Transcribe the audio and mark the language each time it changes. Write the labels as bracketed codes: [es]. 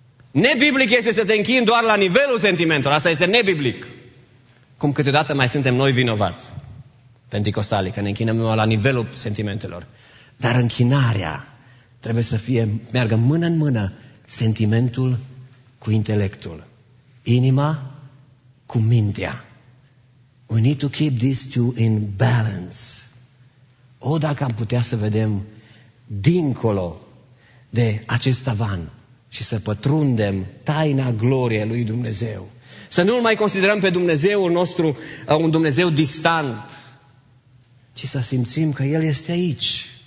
[ro] Nebiblic este să te închini doar la nivelul sentimentului. Asta este nebiblic. Cum câteodată mai suntem noi vinovați, penticostalii, că ne închinăm la nivelul sentimentelor. Dar închinarea trebuie să fie, meargă mână în mână, sentimentul cu intelectul. Inima cu mintea. [en] We need to keep these two in balance. [ro] O, dacă am putea să vedem dincolo de acest tavan și să pătrundem taina gloriei lui Dumnezeu. Să nu-L mai considerăm pe Dumnezeul nostru un Dumnezeu distant, ci să simțim că El este aici.